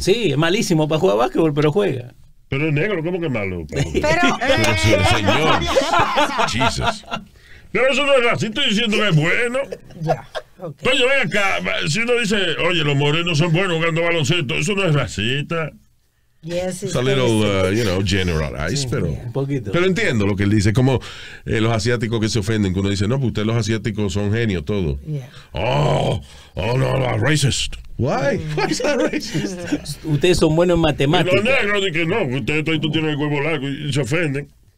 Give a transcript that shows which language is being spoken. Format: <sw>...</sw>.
<es>Sí, es malísimo para jugar básquetbol, pero juega. Pero es negro, ¿cómo que es malo? Pero señor. Jesus. Pero eso no es así, estoy diciendo que es bueno. Ya. Okay. Oye, ven acá, si uno dice, oye, los morenos son buenos jugando baloncesto, eso no es racista.</es> <en>Yes, it's a little, you know, generalized,</en> <es>sí, pero, un poquito. Pero entiendo lo que él dice, como los asiáticos que se ofenden, que uno dice, no, pues ustedes los asiáticos son genios, todo.</es> <en>Yeah. Oh, no, no, racist. Why? Why is that racist?</en> <es>Ustedes son buenos en matemáticas. Y los negros dicen, no, ustedes todos tienen el huevo largo y se ofenden.</es>